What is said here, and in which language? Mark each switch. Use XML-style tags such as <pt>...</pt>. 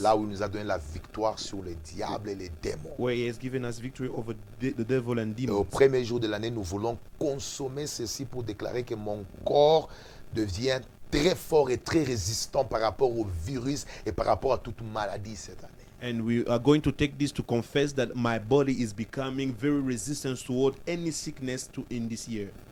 <fr>Là où il nous a donné la victoire sur les diables et les démons.</fr> <en>Where he has given us victory over the devil and demons.</en> <fr>Et au premier jour de l'année, nous voulons consommer ceci pour déclarer que mon corps devient très fort et très résistant par rapport au virus et par rapport à toute maladie cette année.</fr> <en>And we are going to take this to confess that my body is becoming very resistant toward any sickness to in this year.</en>